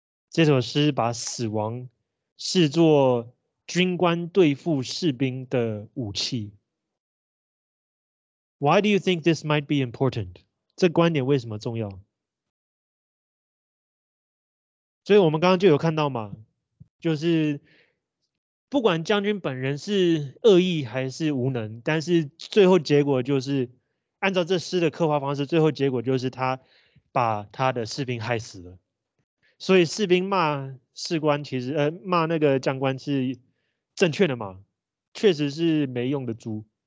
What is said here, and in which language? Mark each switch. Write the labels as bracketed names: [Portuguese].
[Chinese] 这首诗把死亡视作军官对付士兵的武器。 [English] Why do you think this might be important? [Chinese] 这观点为什么重要？所以我们刚刚就有看到嘛，就是不管将军本人是恶意还是无能，但是最后结果就是按照这诗的刻画方式，最后结果就是他把他的士兵害死了，所以士兵骂士官其实骂那个将官是正确的嘛，确实是没用的猪。